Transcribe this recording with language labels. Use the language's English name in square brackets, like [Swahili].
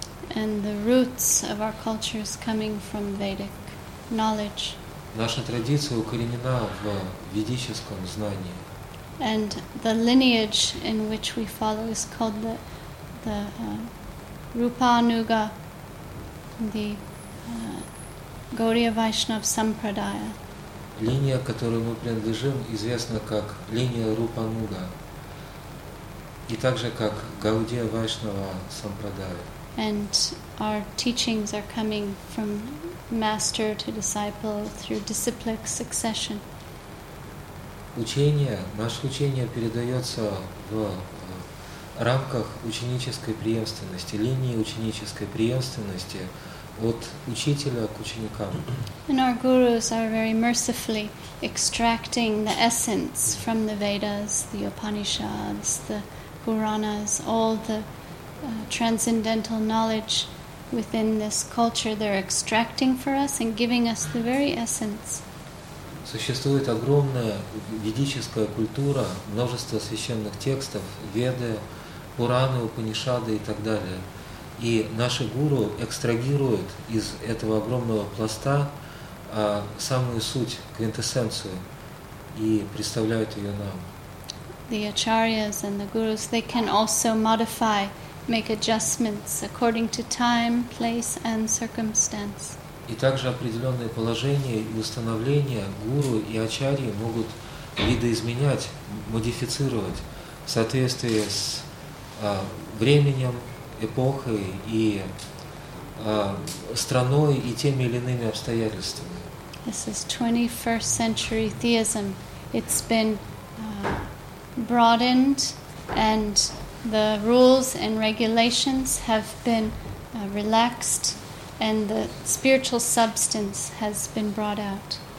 [English] And the roots of our culture is coming from Vedic knowledge. [Russian] Наша традиция укоренена в ведическом знании. [English] And the lineage in which we follow is called the Rupanuga, the Gaudiya Vaishnav Sampradaya. [Russian] Линия, к которой мы принадлежим, известна как линия Рупануга. И также как Гаудия Вайшнава Сампрадая. [English] And our teachings are coming from master to disciple through disciplic succession. [Russian] Учение, наше учение передается в рамках ученической преемственности, линии ученической преемственности от учителя к ученикам. [English] And our gurus are very mercifully extracting the essence from the Vedas, the Upanishads, the Puranas, all the transcendental knowledge within this culture they're extracting for us and giving us the very essence. [Russian] Существует огромная ведическая культура, множество священных текстов, Веды, Пураны, Упанишады и так далее. И наши гуру экстрагируют из этого огромного пласта самую суть, квинтэссенцию и представляют ее нам. [English] The acharyas and the gurus, they can also modify, make adjustments according to time, place and circumstance. [Russian] И также определенные положения и установления гуру и ачарьи могут видоизменять, модифицировать в соответствии с временем, эпохой и страной и теми или иными обстоятельствами. [English] This is 21st century theism. It's been broadened, and the rules and regulations have been relaxed, and the spiritual substance has been brought out.